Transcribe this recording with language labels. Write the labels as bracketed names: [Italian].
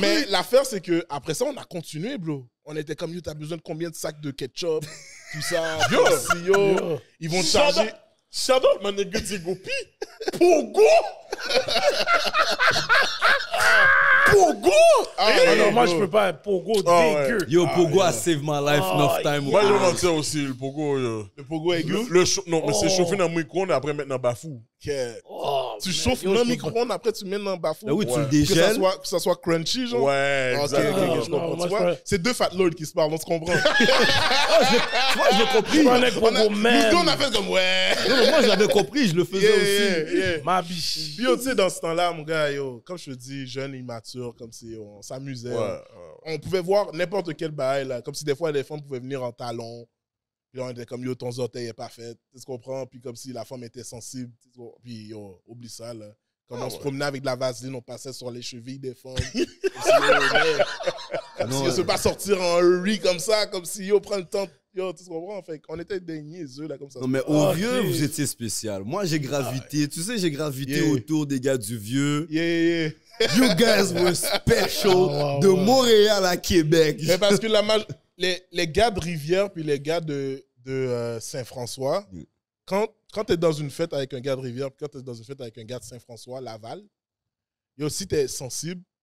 [French] Mais l'affaire, c'est que après ça, on a continué, bro. On était comme, yo, t'as besoin de combien de sacs de ketchup, tout ça. Yo, si, yo. Ils vont charger. Shadow, ma nigga, c'est Gopi. Pogo. Pogo. Ah, hey, non, moi, je peux pas. Pogo, oh, dégueu. Ouais. [English] Yo, Pogo a saved my life enough time. [French] Moi, je m'en tiens aussi, le Pogo. Le Pogo aigu? Non, mais c'est chauffé dans le micro-ondes et après, mettre dans le bafou. Yeah. Tu chauffes dans le micro-ondes après, tu mets dans le bafou. Là, oui, tu le dégèles. Que ça soit crunchy, genre. Ouais, exactement. Okay, je comprends. Tu vois, c'est deux [English] fat lords [French] qui se parlent, on se comprend. j'ai compris. Je prenais Pogo même. Nous, on a fait comme, ouais. Non, mais moi, j'avais compris, je le faisais aussi. Ma biche. Puis, tu sais, dans ce temps-là, mon gars, yo, comme je te dis, jeune, immature, comme si on s'amusait. Ouais, on pouvait voir n'importe quel bail, là. Comme si des fois, les femmes pouvaient venir en talons. Puis on était comme, yo, ton orteil n'est pas fait. Tu comprends? Puis comme si la femme était sensible. Puis, yo, oublie ça, là. Comme on se promenait avec de la vaseline, on passait sur les chevilles des femmes. Comme si on ne pas sortir en hurry, comme ça. Comme si, yo, prends le temps. Yo, tu comprends? Fait qu'on était des niaiseux, là, comme ça. Non, mais au vieux, vous étiez spécial. Moi, j'ai gravité. Tu sais, j'ai gravité autour des gars du vieux. [English] You guys were special [French] de Montréal à Québec. Mais parce que les gars de Rivière puis les gars de Saint-François, quand t'es dans une fête avec un gars de Rivière puis quand t'es dans une fête avec un gars de Saint-François, Laval, et aussi t'es sensible,